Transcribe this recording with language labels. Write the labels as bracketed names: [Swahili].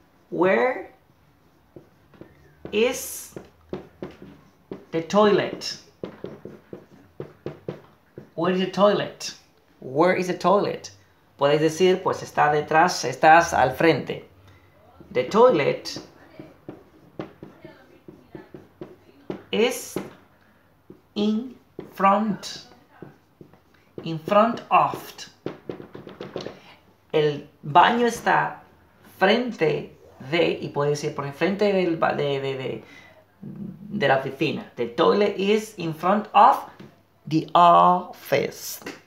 [English] Where is the toilet? Where is the toilet? Where is the toilet? [Spanish] Podéis decir, pues está detrás, estás al frente. [English] The toilet is in front of. [Spanish] El baño está frente de, y puede decir por enfrente de la oficina. [English] The toilet is in front of the office.